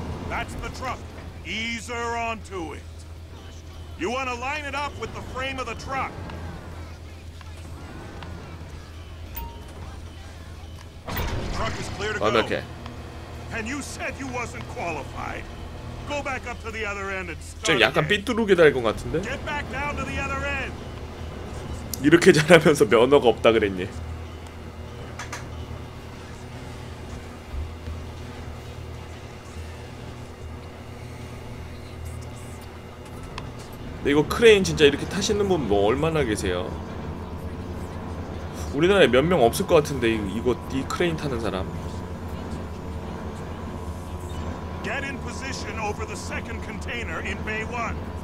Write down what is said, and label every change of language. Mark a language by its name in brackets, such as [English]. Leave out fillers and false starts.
[English] That's the truck. Ease her onto it. You want to line it up with the frame of the truck. Truck is clear to go. [Korean] 완벽해. [English] And you said you wasn't qualified. Go back up to the other end and start. [Korean] 좀 약간 삐뚤게 달 것 같은데. [English] Get back down to the other end. [Korean] 이렇게 잘하면서 면허가 없다 그랬니? 이거 크레인 진짜 이렇게 타시는 분 뭐 얼마나 계세요? 우리나라에 몇 명 없을 것 같은데 이거 이 크레인 타는 사람. [English] Get in position over the second container in bay 1.